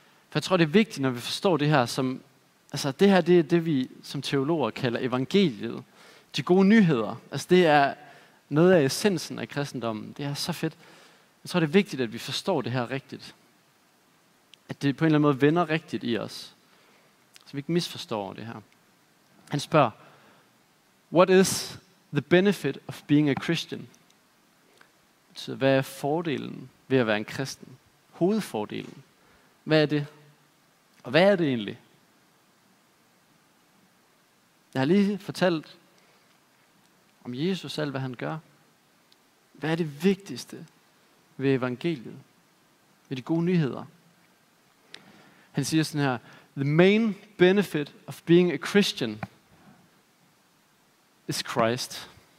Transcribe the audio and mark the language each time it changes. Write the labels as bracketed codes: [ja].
[da] For jeg tror, det er vigtigt, når vi forstår det her, som altså det her, det er det, vi som teologer kalder evangeliet. De gode nyheder. Altså det er noget af essensen af kristendommen. Det er så fedt. Jeg tror, det er vigtigt, at vi forstår det her rigtigt. At det på en eller anden måde vender rigtigt i os. Så vi ikke misforstår det her. Han spørger, [en] what is the benefit of being a Christian? [da] Så hvad er fordelen ved at være en kristen? Hovedfordelen. Hvad er det? Og hvad er det egentlig? Jeg har lige fortalt om Jesus selv, hvad han gør. Hvad er det vigtigste ved evangeliet? Ved de gode nyheder? Han siger sådan her, [en] the main benefit of being a Christian is Christ.